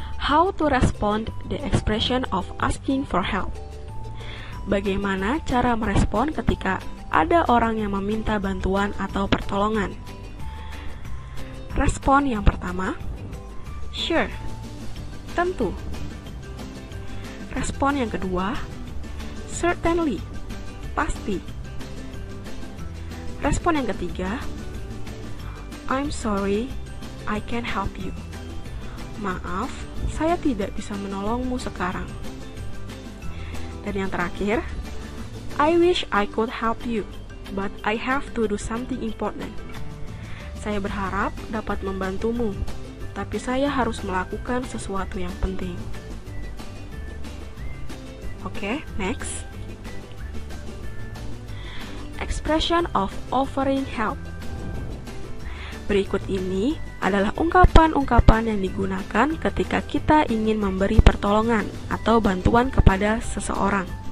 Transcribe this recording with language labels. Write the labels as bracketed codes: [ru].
[en] How to respond the expression of asking for help? [id] Bagaimana cara merespon ketika ada orang yang meminta bantuan atau pertolongan? Respon yang pertama, [en] sure, [id] tentu. Respon yang kedua, [en] certainly, [id] pasti. Respon yang ketiga, [en] I'm sorry, I can't help you. [id] Maaf, saya tidak bisa menolongmu sekarang. Dan yang terakhir, [en] I wish I could help you, but I have to do something important. [id] Saya berharap dapat membantumu, tapi saya harus melakukan sesuatu yang penting. [en] Oke, next. Expression of offering help. [id] Berikut ini adalah ungkapan-ungkapan yang digunakan ketika kita ingin memberi pertolongan atau bantuan kepada seseorang.